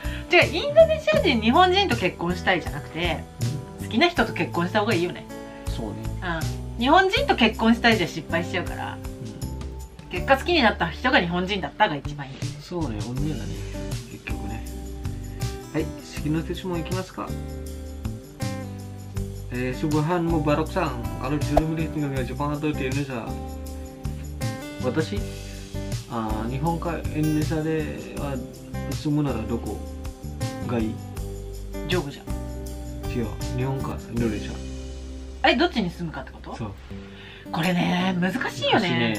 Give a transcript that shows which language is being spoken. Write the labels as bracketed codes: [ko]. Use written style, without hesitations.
[ja] 違う、インドネシア人、日本人と結婚したいじゃなくて、好きな人と結婚した方がいいよね。そうね。うん。日本人と結婚したいじゃ失敗しちゃうから、結果好きになった人が日本人だったが一番いい。そうね、本音だね、結局ね。はい、次の質問いきますか。 [id] Subhan Mubarak さん、kalau disuruh milih tinggal di Jepang atau di Indonesia、 [ja] 私あ日本かインドネシアでは住むならどこがいい？ジョブじゃん。違う、日本かインドネシア。え、どっちに住むかってこと？そう。これね、難しいよ ね。